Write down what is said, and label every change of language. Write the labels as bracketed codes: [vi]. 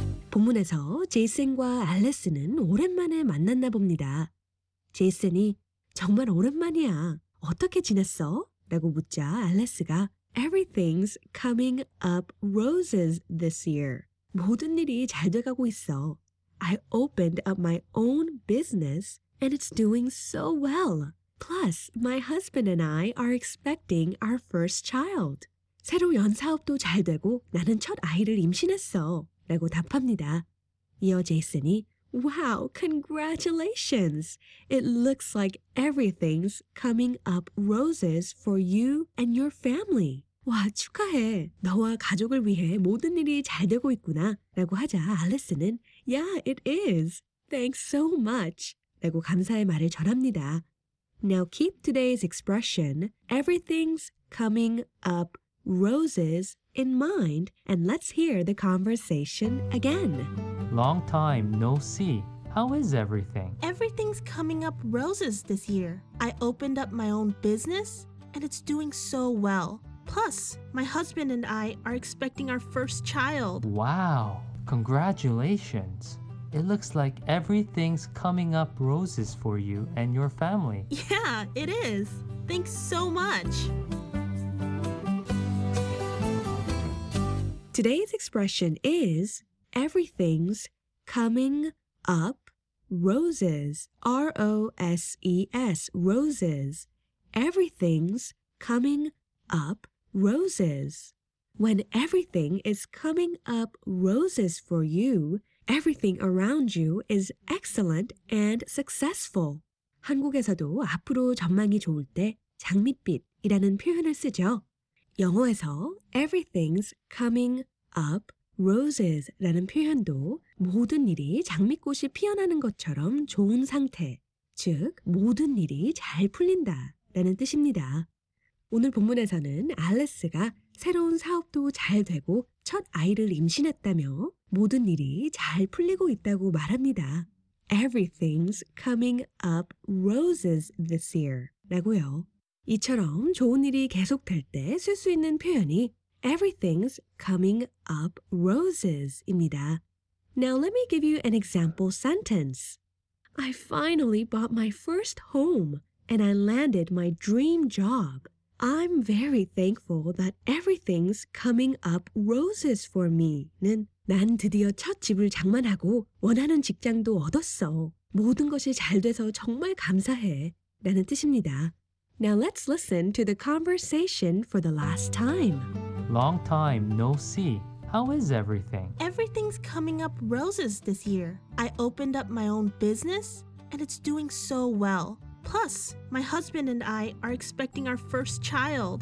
[ko] 본문에서 제이슨과 알레스는 오랜만에 만났나 봅니다. 제이슨이 정말 오랜만이야. 어떻게 지냈어? 라고 묻자 알레스가 [en] Everything's coming up roses this year. [ko] 모든 일이 잘 돼가고 있어. [en] I opened up my own business and it's doing so well. Plus, my husband and I are expecting our first child. [ko] 새로운 사업도 잘 되고 나는 첫 아이를 임신했어. 라고 답합니다. 이어 제이슨이 [en] Wow, congratulations! It looks like everything's coming up roses for you and your family. [ko] 와, 축하해. 너와 가족을 위해 모든 일이 잘 되고 있구나. 라고 하자 알레스는 [en] Yeah, it is. Thanks so much. [ko] 라고 감사의 말을 전합니다. [en] Now keep today's expression, everything's coming up roses in mind, and let's hear the conversation again. Long time no see. How is everything? Everything's coming up roses this year. I opened up my own business, and it's doing so well. Plus, my husband and I are expecting our first child. Wow, congratulations. It looks like everything's coming up roses for you and your family. Yeah, it is. Thanks so much. Today's expression is everything's coming up roses, R-O-S-E-S, roses. Everything's coming up roses. When everything is coming up roses for you, everything around you is excellent and successful. [ko] 한국에서도 앞으로 전망이 좋을 때 장밋빛이라는 표현을 쓰죠. 영어에서 [en] everything's coming up roses [ko] 라는 표현도 모든 일이 장미꽃이 피어나는 것처럼 좋은 상태, 즉 모든 일이 잘 풀린다 라는 뜻입니다. 오늘 본문에서는 알레스가 새로운 사업도 잘 되고 첫 아이를 임신했다며 모든 일이 잘 풀리고 있다고 말합니다. [en] Everything's coming up roses this year [ko] 라고요. 이처럼 좋은 일이 계속될 때 쓸 수 있는 표현이 [en] Everything's coming up roses [ko] 입니다. [en] Now let me give you an example sentence. I finally bought my first home and I landed my dream job. I'm very thankful that everything's coming up roses for me. [ko] 는 난 드디어 첫 집을 장만하고 원하는 직장도 얻었어. 모든 것이 잘 돼서 정말 감사해 라는 뜻입니다. [en] Now let's listen to the conversation for the last time. Long time no see. How is everything? Everything's coming up roses this year. I opened up my own business and it's doing so well. Plus, my husband and I are expecting our first child.